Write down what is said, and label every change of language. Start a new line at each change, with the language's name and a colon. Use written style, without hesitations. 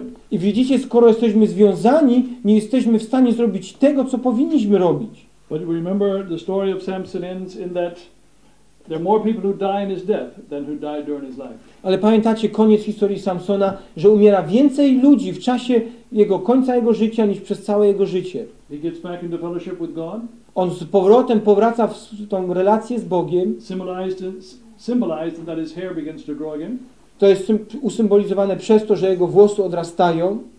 Polish: I widzicie, skoro jesteśmy związani, nie jesteśmy w stanie zrobić tego, co powinniśmy robić.
English: But you remember the story of Samson ends in that there are more people who die in his death than who died during his life.
Polish: Ale pamiętacie koniec historii Samsona, że umiera więcej ludzi w czasie jego końca jego życia niż przez całe jego życie.
English: He gets back into fellowship with God.
Polish: On z powrotem powraca w tą relację z Bogiem.
English: Symbolized that his hair begins to grow again.
Polish: To jest usymbolizowane przez to, że jego włosy odrastają.